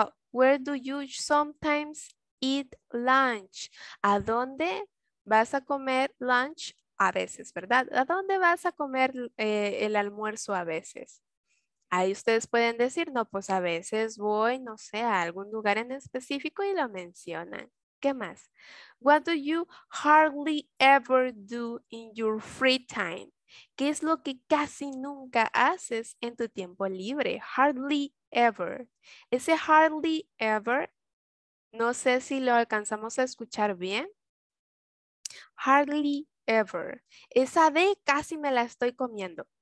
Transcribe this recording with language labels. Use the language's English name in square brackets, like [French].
[English] Where do you sometimes eat lunch? [Spanish] ¿A dónde vas a comer lunch a veces, verdad? ¿A dónde vas a comer el almuerzo a veces? Ahí ustedes pueden decir, no, pues a veces voy, no sé, a algún lugar en específico y lo mencionan. ¿Qué más? [English] What do you hardly ever do in your free time? [Spanish] ¿Qué es lo que casi nunca haces en tu tiempo libre? [English] Hardly ever. [Spanish] Ese [English] hardly ever, [Spanish] no sé si lo alcanzamos a escuchar bien. [English] Hardly ever. [Spanish] Esa D casi me la estoy comiendo.